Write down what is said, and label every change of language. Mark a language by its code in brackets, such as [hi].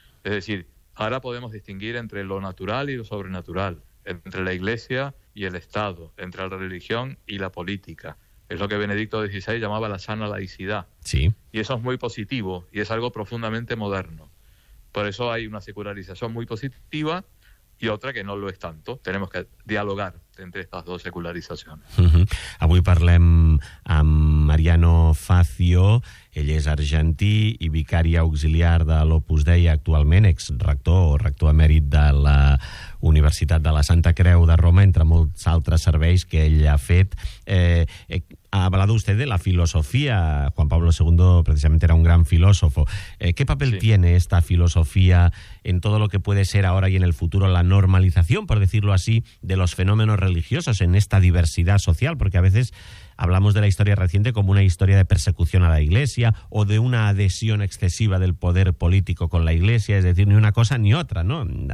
[es] Es decir, ahora podemos distinguir entre lo natural y lo sobrenatural, entre la Iglesia y el Estado, entre la religión y la política. Es lo que Benedicto XVI llamaba la sana laicidad. Sí. Y eso es muy positivo y es algo profundamente moderno. Por eso hay una secularización muy positiva y otra que no lo es tanto. Tenemos que dialogar entre estas dos secularizaciones. Uh-huh. [ca] Avui parlem amb Mariano Facio. Ell és argentí i vicari auxiliar de l'Opus Dei, actualment exrector o rector emèrit de la Universitat de la Santa Creu de Roma, entre molts altres serveis que ell ha fet. [es] Ha hablado usted de la filosofía. Juan Pablo II precisamente era un gran filósofo. ¿Qué papel tiene esta filosofía en todo lo que puede ser ahora y en el futuro la normalización, por decirlo así, de los fenómenos religiosos en esta diversidad social? Porque a veces hablamos de la historia reciente como una historia de persecución a la Iglesia o de una adhesión excesiva del poder político con la Iglesia, es decir, ni una cosa ni otra, ¿no?